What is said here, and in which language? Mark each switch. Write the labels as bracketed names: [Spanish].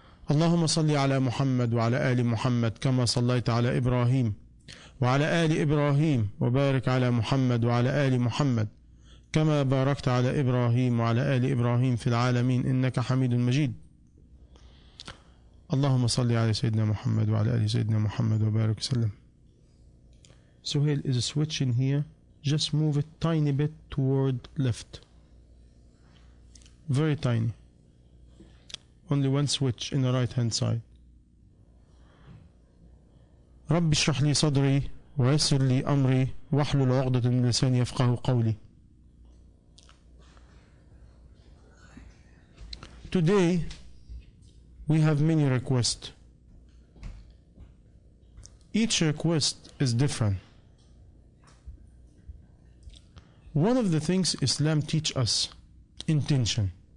[Arabic] اللهم صل على محمد وعلى آل محمد كما صليت على إبراهيم وعلى آل إبراهيم، وبارك على محمد وعلى آل محمد كما باركت على إبراهيم وعلى آل إبراهيم في العالمين، إنك حميد مجيد. اللهم صل على سيدنا محمد وعلى آل سيدنا محمد وبارك وسلم. [English] سهيل is switching here. Just move it tiny bit toward left. Very tiny. Only one switch in the right hand side. [Arabic] رب اشرح لي صدري ويسر لي أمري واحلل عقدة من لساني يفقه قولي. [English] Today we have many requests. Each request is different. One of the things Islam teach us, intention.